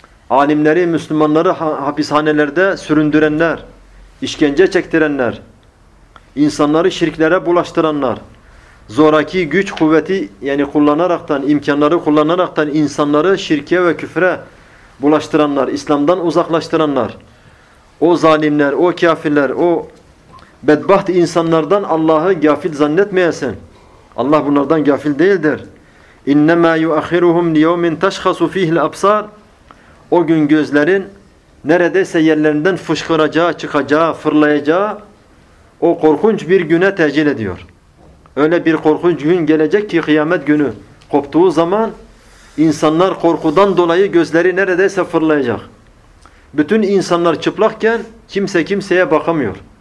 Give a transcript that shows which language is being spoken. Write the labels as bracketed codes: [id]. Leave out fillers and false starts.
[tr] alimleri, Müslümanları hapishanelerde süründürenler, işkence çektirenler, insanları şirklere bulaştıranlar, zoraki güç kuvveti yani kullanaraktan, imkanları kullanaraktan insanları şirke ve küfre bulaştıranlar, İslam'dan uzaklaştıranlar, o zalimler, o kafirler, o bedbaht insanlardan Allah'ı gafil zannetmeyesin. Allah bunlardan gafil değildir. [ar] اِنَّمَا يُؤَخِرُهُمْ لِيَوْمٍ تَشْخَصُ فِيهِ الْأَبْصَارِ [tr] O gün gözlerin neredeyse yerlerinden fışkıracağı, çıkacağı, fırlayacağı o korkunç bir güne tecil ediyor. Öyle bir korkunç gün gelecek ki kıyamet günü koptuğu zaman insanlar korkudan dolayı gözleri neredeyse fırlayacak. Bütün insanlar çıplakken kimse kimseye bakamıyor.